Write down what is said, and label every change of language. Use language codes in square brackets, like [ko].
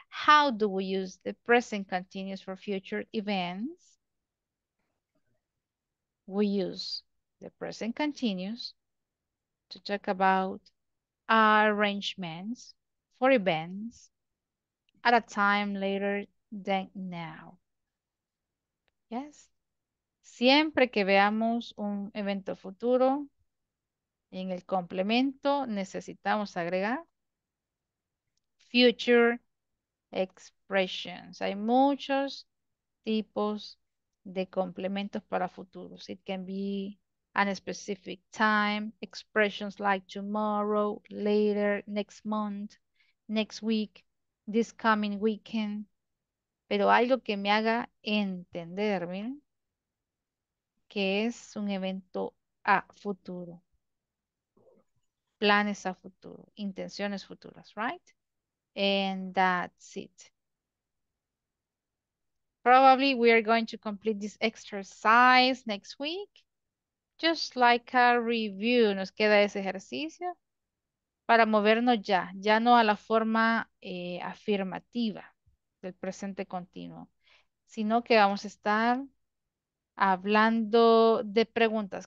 [en] How do we use the present continuous for future events? We use the present continuous to talk about arrangements for events at a time later than now. Yes. [es] Siempre que veamos un evento futuro, en el complemento necesitamos agregar [en] future expressions. [es] Hay muchos tipos de complementos para futuros. [en] It can be an specific time, expressions like tomorrow, later, next month, next week, this coming weekend. [es] Pero algo que me haga entender, miren, que es un evento a futuro. Planes a futuro, intenciones futuras, [en] right? And that's it. Probably we are going to complete this exercise next week. Just like a review, [es] nos queda ese ejercicio para movernos ya, ya no a la forma afirmativa del presente continuo, sino que vamos a estar hablando de preguntas.